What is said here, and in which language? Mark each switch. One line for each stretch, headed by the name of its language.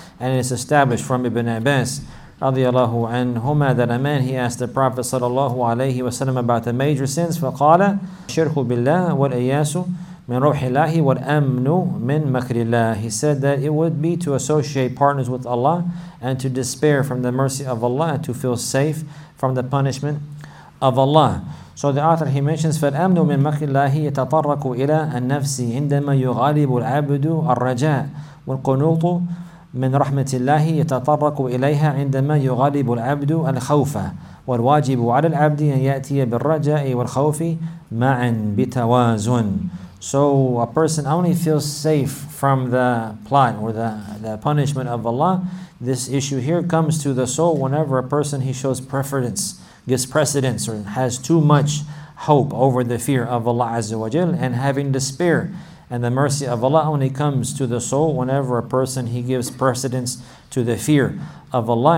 English: And it's established from Ibn Abbas رَضِيَ اللَّهُ عَنْهُمَا that a man, he asked the Prophet صَلَى اللَّهُ عَلَيْهِ وَسَلَّمَ about the major sins.
Arabic: فَقَالَ الشِّرْكُ بِاللَّهِ وَالْإِيَاسُ مِنْ رُوحِ اللَّهِ وَالْأَمْنُ مِنْ مَكْرِ اللَّهِ.
English: He said that it would be to associate partners with Allah and to despair from the mercy of Allah and to feel safe from the punishment of Allah. So the author, he mentions,
Arabic: فَالْأَمْنُ مِنْ مَكْرِ اللَّهِ يَتَطَرَّقُ إِلَى النَّفْسِ عِنْدَمَا يُغَالِبُ الْعَبْدُ الرَّجَاءُ وَالْقُنُوطُ مِنْ رَحْمَةِ اللَّهِ يَتَطَرَّقُ إِلَيْهَا عِنْدَمَا يُغَالِبُ الْعَبْدُ الْخَوْفَ وَالْوَاجِبُ عَلَى الْعَبْدِ أَنْ يَأْتِيَ بِالرَّجَاءِ وَالْخَوْفِ مَعًا بِتَوَازُنٍ.
English: So a person only feels safe from the plot or the punishment of Allah. This issue here comes to the soul whenever a person, he shows preference, gives precedence or has too much hope over the fear of Allah Azza wa Jal, and having despair and the mercy of Allah only comes to the soul whenever a person, he gives precedence to the fear of Allah.